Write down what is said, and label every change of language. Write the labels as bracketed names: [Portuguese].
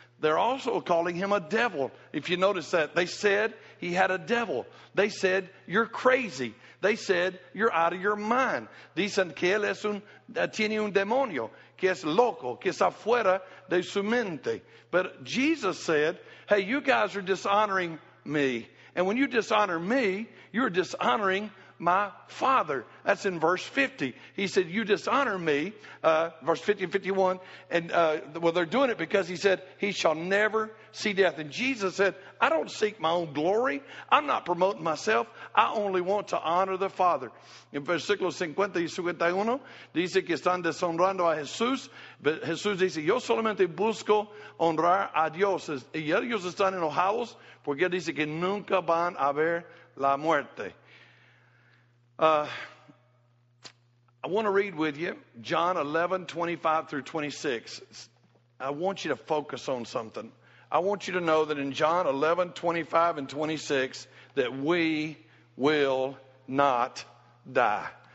[English] They're also calling him a devil. If you notice that, they said he had a devil. They said, you're crazy. They said, you're out of your mind. [Spanish] Dicen que él es un, tiene un demonio, que es loco, que es afuera de su mente. [English] But Jesus said, hey, you guys are dishonoring me. And when you dishonor me, you're dishonoring my Father. That's in verse 50. He said, you dishonor me, verse 50 and 51. And well, they're doing it because he said, he shall never see death. And Jesus said, I don't seek my own glory. I'm not promoting myself. I only want to honor the Father. [Spanish] In versículo 50 y 51, dice que están deshonrando a Jesús. But Jesús dice, yo solamente busco honrar a Dios. Y ellos están enojados porque dice que nunca van a ver la muerte. [English] I want to read with you John 11, 25 through 26. I want you to focus on something. I want you to know that in John 11, 25 and 26, that we will not die.